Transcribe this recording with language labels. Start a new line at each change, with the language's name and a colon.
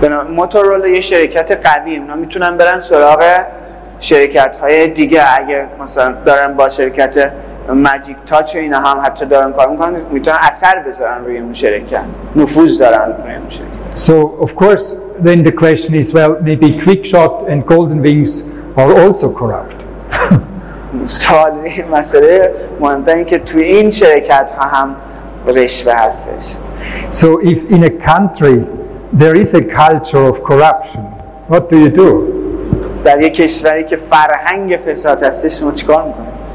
Persian: موتورولا یه شرکت قدیم، اونا میتونن برن سراغ شرکت های دیگه. اگر مثلا دارن با شرکت Magic Touch اینا هم حتی دارن کار میکنن، میتونن اثر بذارن روی اون شرکت، نفوذ دارن روی اون شرکت.
English: So of course then the question is, well, maybe Quickshot and Golden Wings are also corrupt.
Persian: سوال مسئله مهمتر این که توی این شرکت ها هم رشوه هستش.
English: So if in a country there is a culture of corruption, what do you do?
Persian: در یک کشوری که فرهنگ فساد هست شما چیکار می‌کنید؟